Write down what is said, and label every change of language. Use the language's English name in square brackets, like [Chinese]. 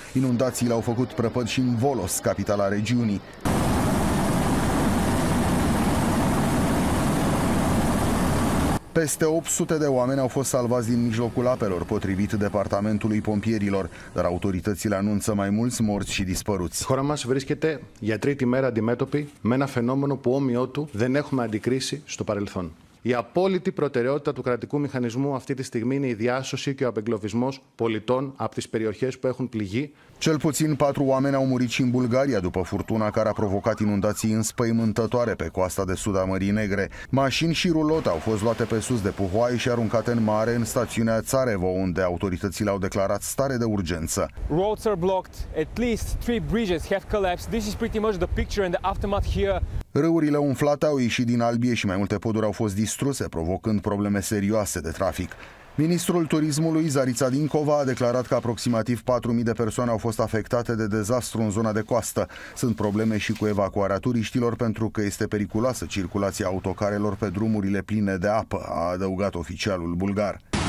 [Romanian] Inundațiile au făcut prăpăd și în Volos, capitala regiunii. Peste 800 de oameni au fost salvați din mijlocul apelor, potrivit departamentului pompierilor, dar autoritățile anunță mai mulți morți și dispăruți. [Greek] Χώρα μας βρίσκεται για τρίτη μέρα αντιμέτωπη με ένα φαινόμενο που όμοιό του δεν έχουμε αντικρίσει στο παρελθόν. Η απόλυτη προτεραιότητα του κρατικού μηχανισμού αυτή τη στιγμή είναι η διάσωση και ο απεγκλωβισμός πολιτών από τις περιοχές που έχουν πληγεί. [Romanian] Cel puțin 4 oameni au murit și în Bulgaria după furtuna care a provocat inundații înspăimântătoare pe coasta de sud a Mării Negre. Mașini și rulote au fost luate pe sus de puhoaie și aruncate în mare în stațiunea Țarevo, unde autoritățile au declarat stare de urgență. [English] Roads are blocked. At least 3 bridges have collapsed. This is pretty much the picture and the aftermath here. [Romanian] Râurile umflate au ieșit din albie și mai multe poduri au fost distruse, provocând probleme serioase de trafic. Ministrul turismului, Zarița Dincova, a declarat că aproximativ 4.000 de persoane au fost afectate de dezastru în zona de coastă. Sunt probleme și cu evacuarea turiștilor pentru că este periculoasă circulația autocarelor pe drumurile pline de apă, a adăugat oficialul bulgar.